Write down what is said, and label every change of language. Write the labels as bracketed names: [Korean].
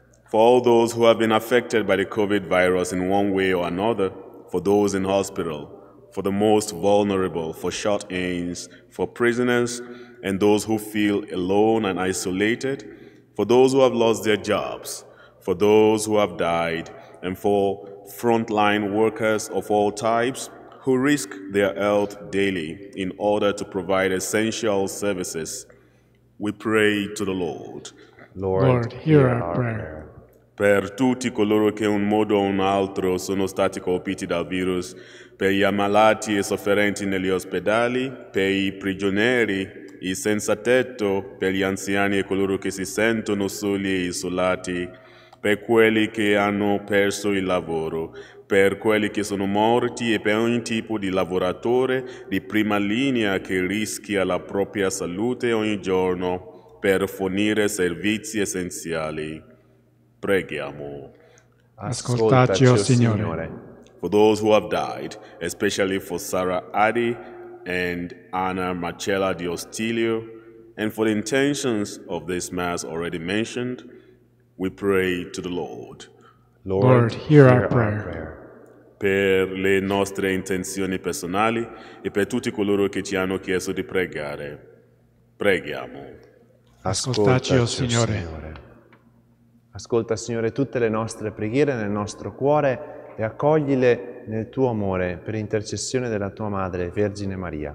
[English] For all those who have been affected by the COVID virus in one way or another, for those in hospital, for the most vulnerable, for shut-ins, for prisoners, and those who feel alone and isolated, for those who have lost their jobs, for those who have died, and for frontline workers of all types who risk their health daily in order to provide essential services, we pray to the Lord. Lord, hear our prayer. [Italian] Per tutti coloro che in un modo o un altro sono stati colpiti dal virus, per gli ammalati e sofferenti negli ospedali, per i prigionieri, i senza tetto, per gli anziani e coloro che si sentono soli e isolati, per quelli che hanno perso il lavoro, per quelli che sono morti e per ogni tipo di lavoratore di prima linea che rischia la propria salute ogni giorno per fornire servizi essenziali. Preghiamo. Ascoltaci, O Signore. [English] For those who have died, especially for Sarah Addy and Anna Marcella Di Ostilio, and for the intentions of this Mass already mentioned, we pray to the Lord. Lord, hear our prayer. [Italian] Per le nostre intenzioni personali e per tutti coloro che ci hanno chiesto di pregare, preghiamo. Ascoltaci, O Signore. Ascolta, Signore, tutte le nostre preghiere nel nostro cuore e accoglile nel tuo amore per intercessione della tua Madre, Vergine Maria.